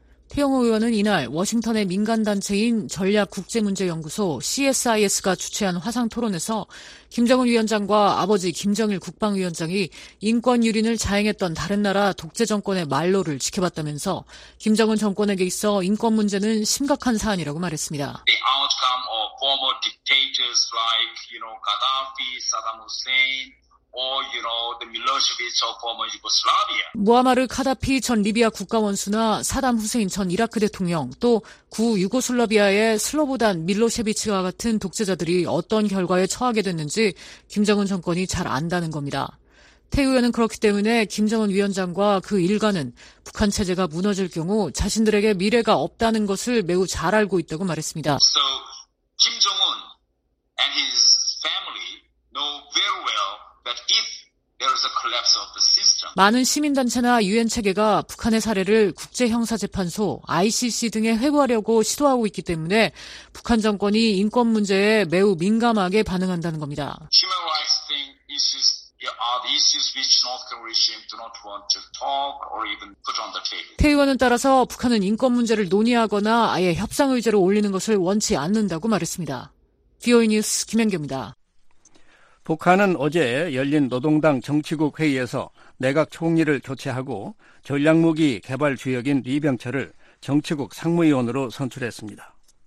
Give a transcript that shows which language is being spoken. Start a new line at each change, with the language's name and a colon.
Korean: 태영호 의원은 이날 워싱턴의 민간단체인 전략국제문제연구소 CSIS가 주최한 화상토론에서 김정은 위원장과 아버지 김정일 국방위원장이 인권유린을 자행했던 다른 나라 독재정권의 말로를 지켜봤다면서 김정은 정권에게 있어 인권 문제는 심각한 사안이라고 말했습니다.
English: The outcome of former dictators like, you know, Gaddafi, Saddam Hussein. Or, you know,
Korean: 무하마르 카다피 전 리비아 국가원수나 사담 후세인 전 이라크 대통령 또 구 유고슬라비아의 슬로보단 밀로셰비치와 같은 독재자들이 어떤 결과에 처하게 됐는지 김정은 정권이 잘 안다는 겁니다. 태 의원은 그렇기 때문에 김정은 위원장과 그 일가는 북한 체제가 무너질 경우 자신들에게 미래가 없다는 것을 매우 잘 알고 있다고 말했습니다.
English: So, 김정은 and his family know very well. There is a collapse of the system.
Korean: 많은 시민단체나 유엔 체계가 북한의 사례를 국제형사재판소, ICC 등에 회부하려고 시도하고 있기 때문에 북한 정권이 인권 문제에 매우 민감하게 반응한다는 겁니다.
English: Human rights thing issues are the issues which North Korean regime do not want to talk or even put on the table.
Korean: 태 의원은 따라서 북한은 인권 문제를 논의하거나 아예 협상 의제로 올리는 것을 원치 않는다고 말했습니다. VOA 뉴스 김현경입니다. 북한은 어제 열린 노동당 정치국 회의에서 내각 총리를 교체하고 전략무기 개발 주역인 리병철을 정치국 상무위원으로 선출했습니다.